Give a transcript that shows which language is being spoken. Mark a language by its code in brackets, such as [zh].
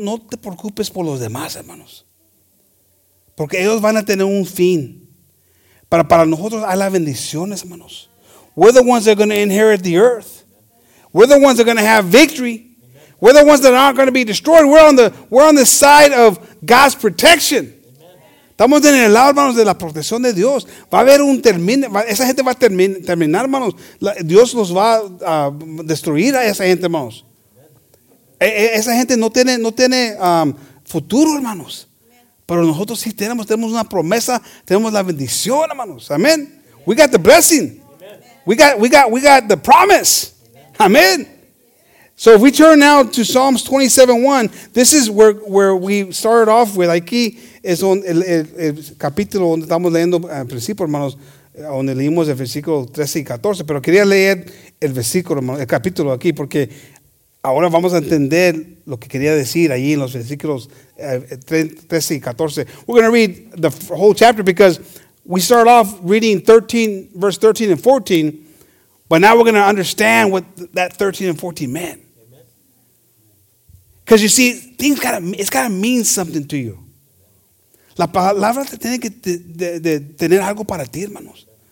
[es] No te preocupes por los demás, hermanos. Porque ellos van a tener un fin. Para nosotros hay las bendiciones, hermanos. [en] We're the ones that are going to inherit the earth. We're the ones that are going to have victory. We're the ones that aren't going to be destroyed. We're on the side of God's protection. [es] Estamos en el lado, hermanos, de la protección de Dios. Va a haber un término. Esa gente va a terminar, hermanos. Dios los va a destruir a esa gente, hermanos. Esa gente no tiene futuro, hermanos. Pero nosotros sí tenemos una promesa. Tenemos la bendición, hermanos. Amén. [en] We got the blessing. We got the promise. Amén. So if we turn now to Psalms 27:1, this is where we started off with. [es] Aquí es on el capítulo donde estamos leyendo al principio, hermanos, donde leímos el versículo 13 y 14. Pero quería leer el versículo, hermanos, el capítulo aquí, porque ahora vamos a entender lo que quería decir allí en los versículos 13 y 14. [en] We're going to read the whole chapter because we start off reading 13, verse 13 and 14. But now we're going to understand what that 13 and 14 meant. Because you see, things gotta mean something to you. [es] La palabra tiene que tener algo para ti, hermanos.